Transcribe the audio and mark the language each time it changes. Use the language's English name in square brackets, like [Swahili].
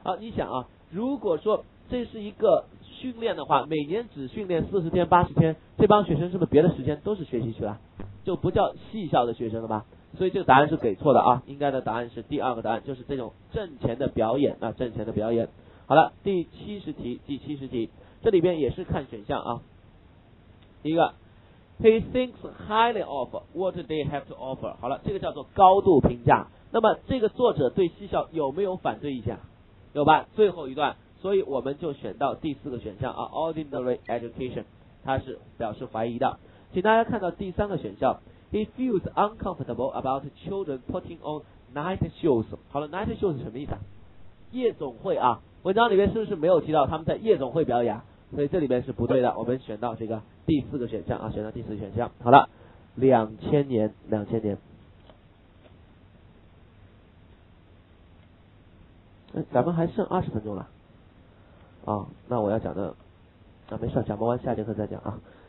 [Chinese] 你想啊，如果说这是一个训练的话，每年只训练40天80天，这帮学生是不是别的时间都是学习去了，就不叫戏校的学生了吧？所以这个答案是给错的啊，应该的答案是第二个答案，就是这种挣钱的表演啊，挣钱的表演。好了，第七十题，这里边也是看选项啊。第一个 [English] ，He thinks highly of what they have to offer。 [Chinese] 好了，这个叫做高度评价。那么这个作者对戏校有没有反对意见？有吧？最后一段，所以我们就选到第四个选项啊 ， [English] Ordinary education， [Chinese] 他是表示怀疑的。请大家看到第三个选项。 [English] He feels uncomfortable about children putting on night shows。 [Chinese] 好了， night shows 是什么意思啊？夜总会啊，文章里面是不是没有提到他们在夜总会表演，所以这里面是不对的，我们选到这个第四个选项啊，选到第四个选项。好了，2000年，咱们还剩20分钟了啊、哦、那我要讲的啊，没事，讲不完下节课再讲啊。